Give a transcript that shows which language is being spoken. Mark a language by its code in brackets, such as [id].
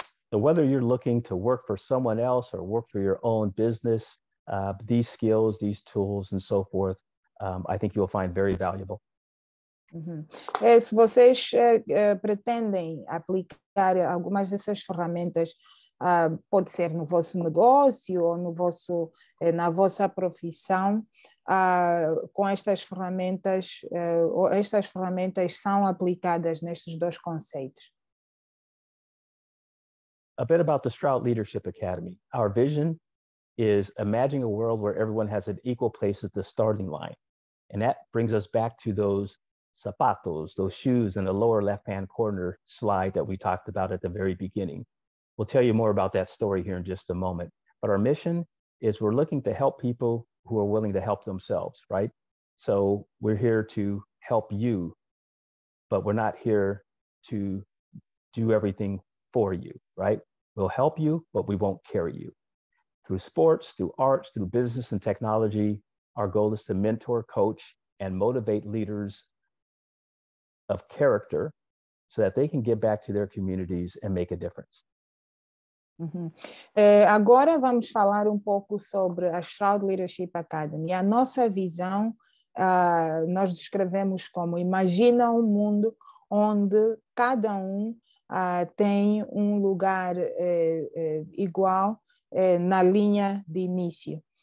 [en] So whether you're looking to work for someone else or work for your own business, these skills, these tools and so forth, I think you'll find very valuable. Uh-huh. [pt] Se vocês pretendem aplicar algumas dessas ferramentas, pode ser no vosso negócio ou no vosso, na vossa profissão, com estas ferramentas, ou estas ferramentas são aplicadas nestes dois conceitos. [en] A bit about the Stroud Leadership Academy. Our vision is imagining a world where everyone has an equal place at the starting line. And that brings us back to those zapatos, those shoes in the lower left-hand corner slide that we talked about at the very beginning. We'll tell you more about that story here in just a moment. But our mission is we're looking to help people who are willing to help themselves, right? So we're here to help you, but we're not here to do everything for you, right? We'll help you, but we won't carry you. Through sports, through arts, through business and technology, our goal is to mentor, coach, and motivate leaders of character so that they can give back to their communities and make a difference. Uhum. [pt] Agora vamos falar um pouco sobre a Stroud Leadership Academy. A nossa visão, nós descrevemos como imagina um mundo onde cada um tem um lugar igual na linha de início.